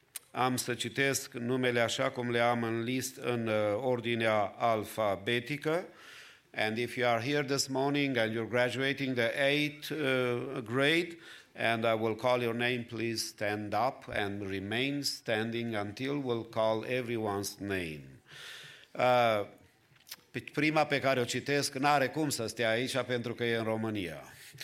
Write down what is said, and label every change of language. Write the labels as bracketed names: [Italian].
[Romanian] Am să citesc numele așa cum le am în list în ordinea alfabetică. [English] And if you are here this morning and you're graduating the 8th grade, and I will call your name, please stand up and remain standing until we'll call everyone's name. [Romanian] Prima pe care o citesc n-are cum să stea aici pentru că e în România.